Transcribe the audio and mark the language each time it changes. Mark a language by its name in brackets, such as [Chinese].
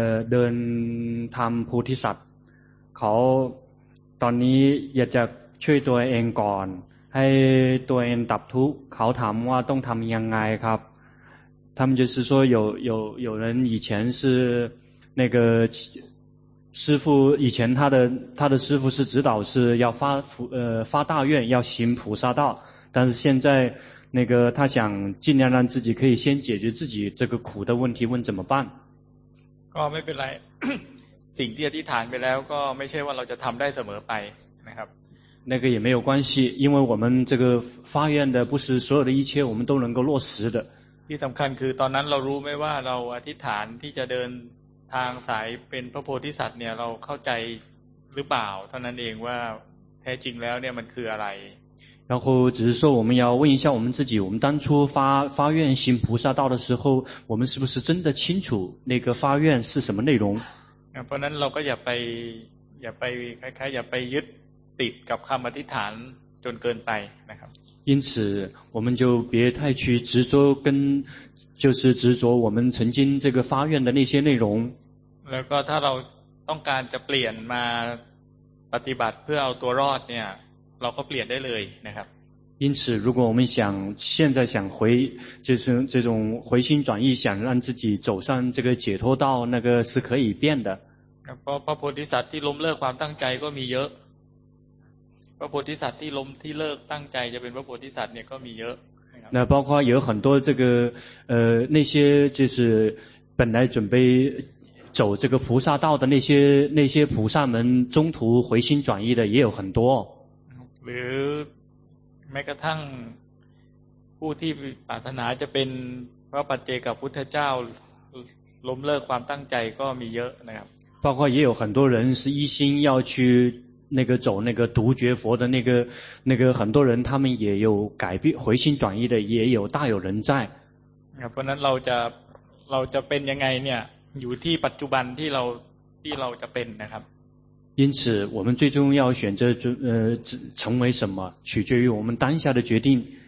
[Thai] เดินธรรมโพธิสัตว์เขาตอนนี้อยากจะช่วยตัวเองก่อนให้ตัวเองดับทุกข์เขาถามว่าต้องทำยังไงครับ [Chinese] 他们就是说有人以前是那个师父以前他的师父是指导是要发大愿要行菩萨道但是现在那个他想尽量让自己可以先解决自己这个苦的问题问怎么办 [Thai] ก็ไม่เป็นไรสิ่งที่อธิษฐานไปแล้วก็ไม่ใช่ว่าเราจะทำได้เสมอไปนะครับ [Chinese] 那个也没有关系因为我们这个发愿的不是所有的一切我们都能够落实的 [Thai] ที่สำคัญคือตอนนั้นเรารู้ไหมว่าเราอธิษฐานที่จะเดินทางสายเป็นพระโพธิสัตว์เนี่ยเราเข้าใจหรือเปล่าเท่านั้นเองว่าแท้จริงแล้วเนี่ยมันคืออะไร [Chinese] 然后只是说我们要问一下我们自己我们当初发愿行菩萨道的时候我们是不是真的清楚那个发愿是什么内容 [Thai] เพราะนั้นเราก็อย่าไปคล้ายๆอย่าไปยึดติดกับคำอธิษฐานจนเกินไปนะครับ [Chinese] 因此我们就别太去执着跟就是执着我们曾经这个发愿的那些内容 [Thai] แล้วก็ถ้าเราต้องการจะเปลี่ยนมาปฏิบัติเพื่อเอาตัวรอดเนี่ยเราก็เปลี่ยนได้เลยนะครับ [Chinese] 因此如果我们想现在想回就是这种回心转意想让自己走上这个解脱道那个是可以变的 [Thai] เพราะพระโพธิสัตว์ที่ล้มเลิกความตั้งใจก็มีเยอะพระโพธิสัตว์ที่ล้มที่เลิกตั้งใจจะเป็นพระโพธิสัตว์เนี่ยก็มีเยอะ [Chinese] 那包括有很多这个那些就是本来准备走这个菩萨道的那些菩萨们中途回心转意的也有很多 [Thai] หรือแม้กระทั่งผู้ที่ปรารถนาจะเป็นพระปัจเจกพุทธเจ้าล้มเลิกความตั้งใจก็มีเยอะนะครับ [Chinese] 包括也有很多人是一心要去那个走那个独觉佛的那个很多人他们也有改变回心转意的也有大有人在 [Thai] เพราะนั้นเราจะเป็นยังไงเนี่ยอยู่ที่ปัจจุบันที่เราจะเป็นนะครับ [Chinese] 因此我们最终要选择成为什么取决于我们当下的决定。